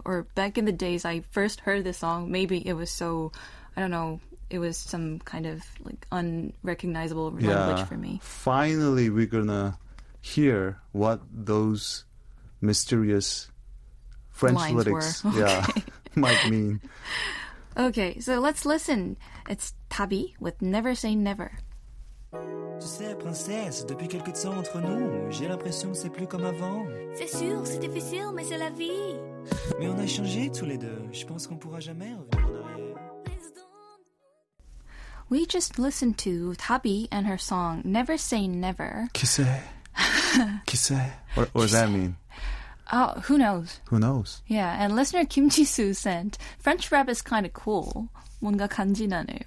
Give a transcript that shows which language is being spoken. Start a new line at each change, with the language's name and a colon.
English: Or back in the days I first heard this song, maybe it was so, I don't know, it was some kind of like unrecognizable language for me. Finally, we're going to hear what those mysterious French lines lyrics okay. Yeah, might mean. Okay, so let's listen. It's Tabi with Never Say Never.
French: Tu sais, princesse, depuis quelque temps entre nous, j'ai l'impression que c'est plus comme avant. C'est sûr, c'est difficile, mais c'est la vie. Mais on a changé tous les deux. Je pense qu'on pourra jamais revenir en arrière.
English: We just listened to Tabi and her song Never Say Never.
French: Qui sait? Qui sait?
English: What does that mean? Oh, who knows? Who knows? Yeah, and listener Kim Ji-soo sent, French rap is kind of cool.
Korean: 뭔가 간지나네요.